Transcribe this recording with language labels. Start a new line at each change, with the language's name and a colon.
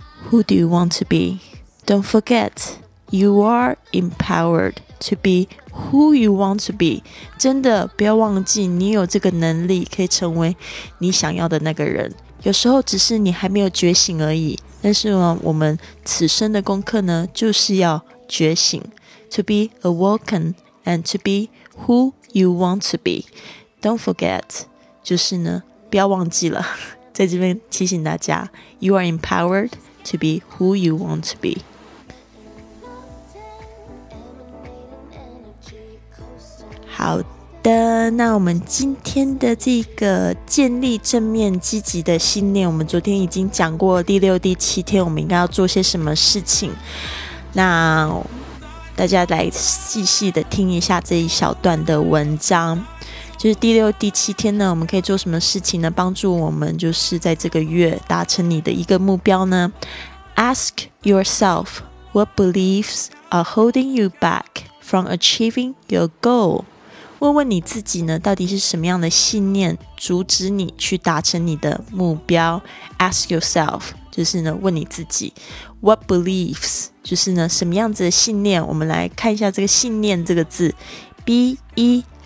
English: Who do you want to beDon't forget, you are empowered to be who you want to be.
Chinese: 真的不要忘记，你有这个能力可以成为你想要的那个人。有时候只是你还没有觉醒而已，但是呢我们此生的功课呢就是要觉醒。
English: To be awoken and to be who you want to be. Don't forget,
Chinese: 就是呢不要忘记了，在这边提醒大家，
English: You are empoweredTo be who you want to be.
Chinese: How的，那我们今天的这个建立正面积极的信念，我们昨天已经讲过第六、第七天，我们应该要做些什么事情。那大家来细细的听一下这一小段的文章。就是第六、第七天呢，我们可以做什么事情呢？帮助我们就是在这个月达成你的一个目标呢？
English: Ask yourself what beliefs are holding you back from achieving your goal.
Chinese: 问问你自己呢，到底是什么样的信念阻止你去达成你的目标？
English: Ask yourself
Chinese: 就是呢，问你自己
English: what beliefs
Chinese: 就是呢，什么样子的信念？我们来看一下这个信念这个字 ，B-E。